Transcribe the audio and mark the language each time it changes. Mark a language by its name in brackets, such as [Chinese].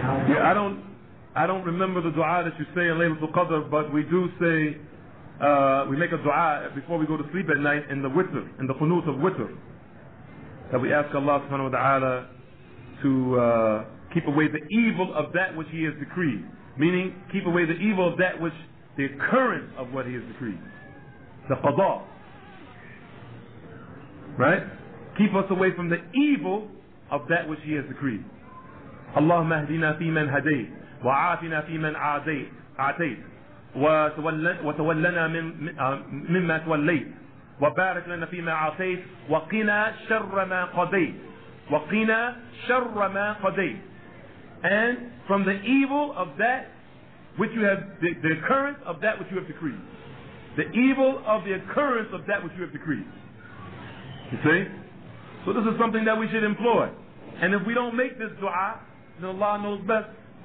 [English] Yeah, I don't remember the dua that you say in Laylatul Qadr, but we do say, we make a dua before we go to sleep at night in the witr, in the qunut of witr, that we ask Allah subhanahu wa ta'ala to keep away the evil of that which He has decreed. Meaning, keep away the evil of that which, the occurrence of what He has decreed. The qada. Right? Keep us away from the evil of that which He has decreed. [Arabic] Allahumma ahdina fiman hadayt. وعافنا في من عاديت وتولنا مما توليت وبارك لنا فيما عاطيت وقنا شر ما قضيت وقنا شر ما قضيت. [English] And from the evil of that which you have, the occurrence of that which you have decreed, the evil of the occurrence of that which you have decreed. You see, so this is something that we should employ, and if we don't make this dua, then Allah knows best.